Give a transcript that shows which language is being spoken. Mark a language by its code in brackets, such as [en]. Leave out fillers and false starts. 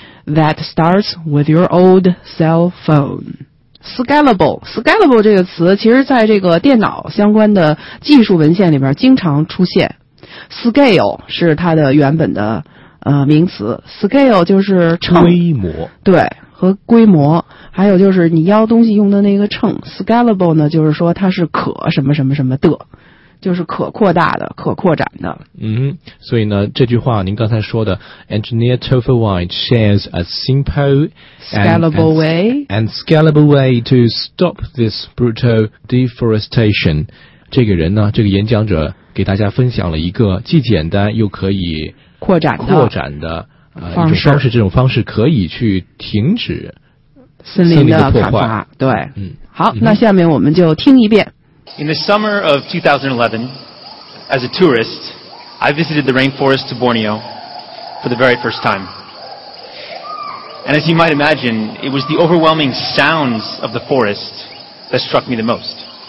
[en] That starts with your old cell phone. [zh] Scalable 这个词，其实在这个电脑相关的技术文献里边经常出现。 Scale 是它的原本的名词。 Scale 就是秤。规模。对，和规模。还有就是你腰东西用的那个秤。Scalable 呢，就是说它是可什么什么什么的。就是可扩大的、可扩展的。嗯，所以呢，这句话您刚才说的 ， [en] Engineer Topher White shares a simple scalable way and scalable way to stop this brutal deforestation。 [zh] 这个人呢，这个演讲者给大家分享了一个既简单又可以扩展的方式，这种方式可以去停止森林的砍伐。对，嗯，好嗯，那下面我们就听一遍。 [en] In the summer of 2011, as a tourist, I visited the rainforest of Borneo for the very first time. And as you might imagine, it was the overwhelming sounds of the forest that struck me the most.